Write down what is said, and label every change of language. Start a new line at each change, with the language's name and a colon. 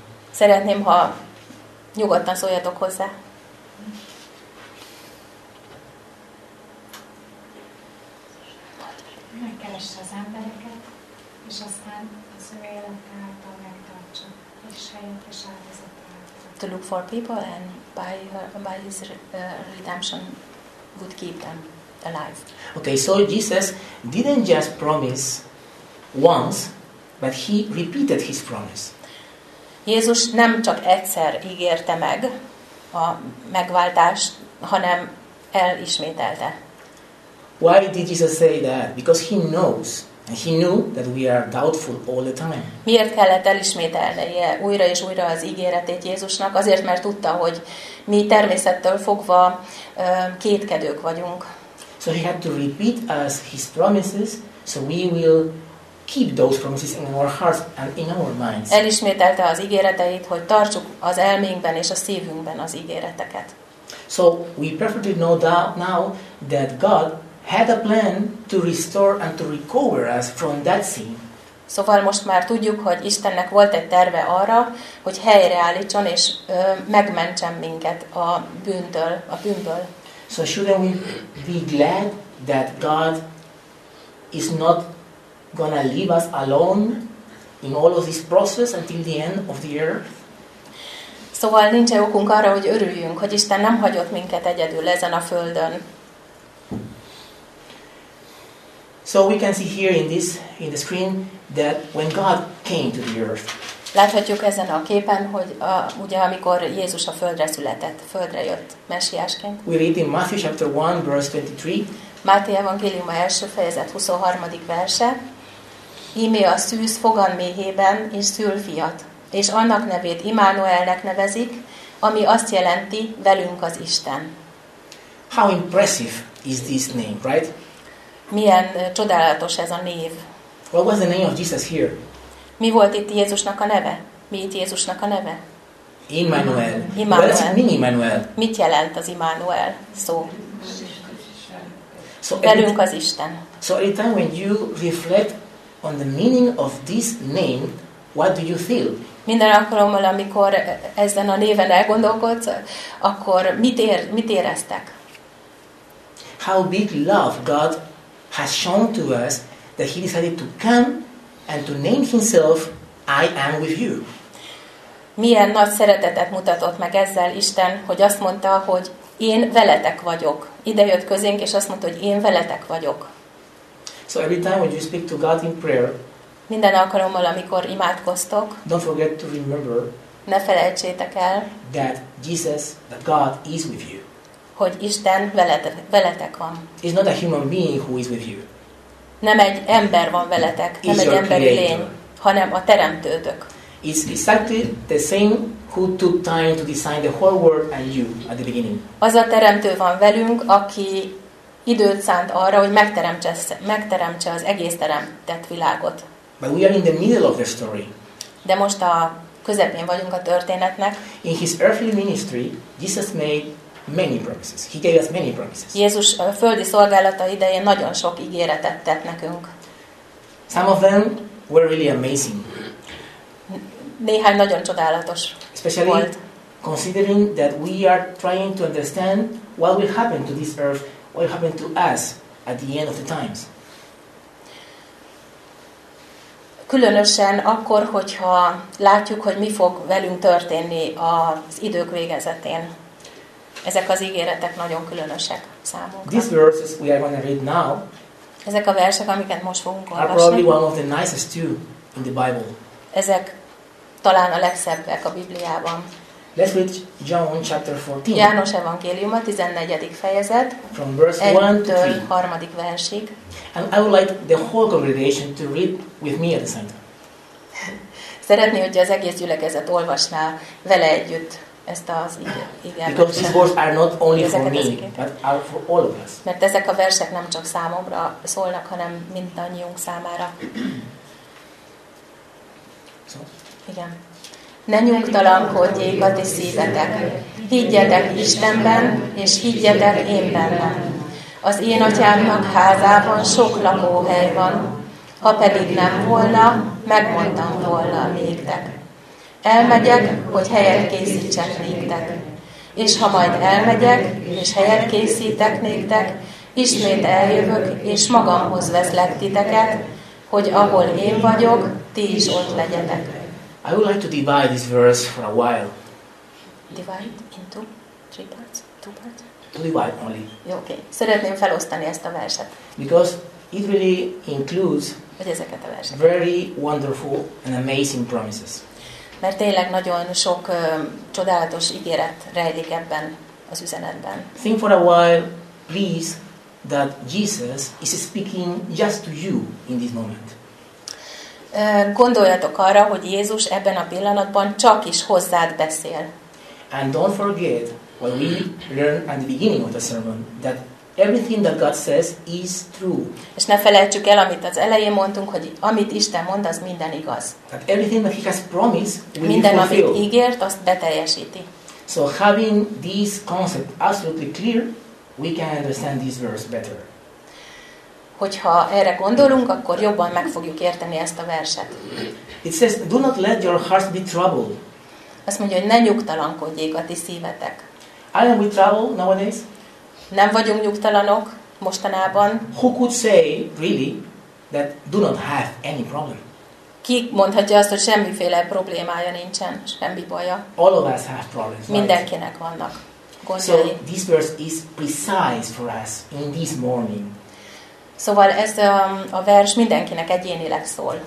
Hungarian: Szeretném, ha nyugodtan szóljatok hozzá. Megkeresse az embereket, és aztán az ő élete által megtartsa, és helyet és áldozatát.
English: To look for people and by his redemption would keep them. Alive. Okay, so Jesus didn't just promise once, but he repeated his promise.
Hungarian: Jézus nem csak egyszer ígérte meg a megváltást, hanem elismételte.
English: Why did Jesus say that? Because he knows And he knew that we are doubtful all the time.
Hungarian: Miért kellett elismételnie újra és újra az ígéretét Jézusnak? Azért, mert tudta, hogy mi természettől fogva kétkedők vagyunk.
English: So he had to repeat us his promises, so we will keep those promises in our hearts and in our minds.
Hungarian: Elismételte az ígéreteit, hogy tartsuk az elménkben és a szívünkben az ígéreteket.
English: So we perfectly know that now that God had a plan to restore and to recover us from that sin.
Hungarian: Szóval most már tudjuk, hogy Istennek volt egy terve arra, hogy helyreállítson és megmentsen minket a bűntől, a bűnből.
English: So shouldn't we be glad that God is not gonna leave us alone in all of this process until the end of the earth?
Hungarian: Szóval nincs-e okunk arra, hogy örüljünk, hogy Isten nem hagyott minket egyedül ezen a földön.
English: So we can see here in this in the screen that when God came to the earth.
Hungarian: Láthatjuk ezen a képen, hogy a, ugye amikor Jézus a földre született, földre jött messiásként.
English: We read in Matthew chapter 1 verse 23.
Hungarian: Máté evangélium első fejezet 23. verse. Íme a szűz fogan méhében és szül fiat, és annak nevét Immanuelnek nevezik, ami azt jelenti velünk az Isten.
English: How impressive is this name, right?
Hungarian: Milyen csodálatos ez a név.
English: What was the name of Jesus here?
Hungarian: Mi volt itt Jézusnak a neve? Mi itt Jézusnak a neve? Immanuel. Immanuel.
English: What does it mean, Immanuel?
Hungarian: Mit jelent az Immanuel szó? So velünk az Isten.
English: So every time when you reflect on the meaning of this name, what do you feel?
Hungarian: Minden alkalommal, amikor ezen a néven elgondolkodsz, akkor mit éreztek?
English: How big love God has shown to us that he decided to come and to name himself I am with you.
Hungarian: Milyen nagy szeretetet mutatott meg ezzel Isten, hogy azt mondta, hogy én veletek vagyok. Ide jött közénk, és azt mondta, hogy én veletek vagyok.
English: So every time when you speak to God in prayer,
Hungarian: minden alkalommal, amikor imádkoztok,
English: don't forget to remember,
Hungarian: ne felejtsétek el,
English: that Jesus, that God is with you.
Hungarian: Hogy Isten veletek van.
English: It's not a human being who is with you.
Hungarian: Nem egy ember van veletek, nem egy emberi lény, hanem a teremtőtök.
English: It's exactly the same who took time to design the whole world and you at the beginning.
Hungarian: Az a teremtő van velünk, aki időt szánt arra, hogy megteremtse az egész teremtett világot.
English: But we are in the middle of the story.
Hungarian: De most a közepén vagyunk a történetnek.
English: In his earthly ministry, Jesus made many promises. He gave us many promises.
Hungarian: Jézus a földi szolgálata idején nagyon sok ígéretet tett nekünk.
English: Some of them were really amazing.
Hungarian: Néhány nagyon csodálatos volt.
English: Especially considering that we are trying to understand what will happen to this earth, what will happen to us at the end of the times.
Hungarian: Különösen akkor, hogyha látjuk, hogy mi fog velünk történni az idők végezetén. Ezek az ígéretek nagyon különösek számunkra.
English: These verses we are going to read now.
Hungarian: Ezek a versek, amiket most fogunk olvasni.
English: Are probably one of the nicest two in the Bible.
Hungarian: Ezek talán a legszebbek a Bibliában.
English: Let's read John chapter 14.
Hungarian: János evangéliuma 14. fejezet.
English: From verse 1-3.
Hungarian: 3. versig.
English: And I would like the whole congregation to read with me at the same time.
Hungarian: Szeretné, hogy az egész gyülekezet olvasná vele együtt ezt az igen.
English: Because these words are not only for me, but are for all of us.
Hungarian: Mert ezek a versek nem csak számomra szólnak, hanem mindannyiunk számára.
English: So?
Hungarian: Igen. Ne nyugtalankodjék a ti szívetek. Higgyetek Istenben, és higgyetek én bennem. Az én atyámnak házában sok lakóhely van. Ha pedig nem volna, megmondtam volna néktek. Elmegyek, hogy helyet készítsek néktek. És ha majd elmegyek, és helyet készítek néktek, ismét eljövök, és magamhoz veszlek titeket, hogy ahol én vagyok, ti is ott legyetek.
English: I would like to divide this verse for a while. Divide into three parts, two parts. To divide only. Okay.
Hungarian: Szeretném felosztani ezt a verset.
English: Because it really includes
Hungarian: ezeket a verseket.
English: Very wonderful and amazing promises.
Hungarian: Mert tényleg nagyon sok csodálatos ígéret rejlik ebben az üzenetben.
English: Think for a while, please, that Jesus is speaking just to you in this moment.
Hungarian: Gondoljatok arra, hogy Jézus ebben a pillanatban csak is hozzád beszél.
English: And don't forget what we learned at the beginning of the sermon, that everything that God says is true.
Hungarian: És ne felejtsük el, amit az elején mondtunk, hogy amit Isten mond, az minden igaz.
English: That everything that he has promised, will
Hungarian: minden,
English: be fulfilled.
Hungarian: Amit ígért, azt beteljesíti.
English: So having this concept absolutely clear, we can understand this verse better.
Hungarian: Hogyha erre gondolunk, akkor jobban meg fogjuk érteni ezt a verset.
English: It says, do not let your hearts be troubled.
Hungarian: Azt mondja, hogy ne nyugtalankodjék a ti szívetek.
English: Aren't we troubled nowadays?
Hungarian: Nem vagyunk nyugtalanok mostanában.
English: Who could say, really, that do not have any problem?
Hungarian: Ki mondhatja azt, hogy semmiféle problémája nincsen, semmi baja?
English: All of us have problems.
Hungarian: Mindenkinek
English: right?
Hungarian: vannak gondjai.
English: So this verse is precise for us in this morning.
Hungarian: Szóval ez a vers mindenkinek egyénileg szól.